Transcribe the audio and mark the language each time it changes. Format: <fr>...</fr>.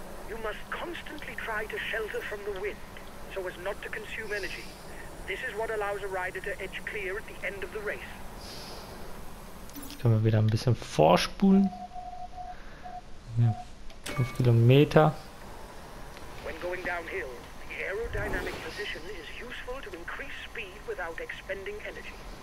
<en>You must constantly try to shelter from the wind, so as not to consume energy. This is what allows a rider to edge clear at the end of the race.</en> <de>Können wir wieder ein bisschen vorspulen. 5 Kilometer.</de> <en>When going downhill, the aerodynamic position is useful to increase speed without expending energy.</en>